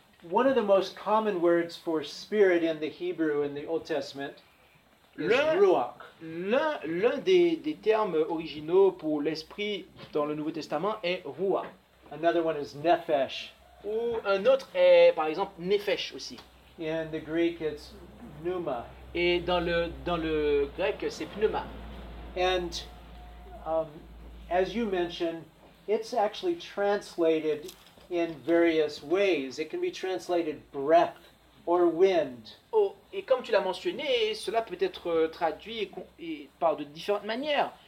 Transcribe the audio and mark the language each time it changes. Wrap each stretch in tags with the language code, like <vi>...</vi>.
<en>One of the most common words for spirit in the Hebrew in the Old Testament is ruach.</en> <fr>L'un des termes originaux pour l'esprit dans le Nouveau Testament est ruach.</fr> <en>Another one is nephesh.</en> <fr>Ou un autre est par exemple nephesh aussi.</fr> <en>In the Greek, it's pneuma.</en> <fr>Et dans le grec, c'est pneuma.</fr> <en>And as you mentioned, it's actually translated in various ways. It can be translated breath or wind.</en> <fr>Oh, et comme tu l'as mentionné, cela peut être traduit et par de différentes manières.</fr>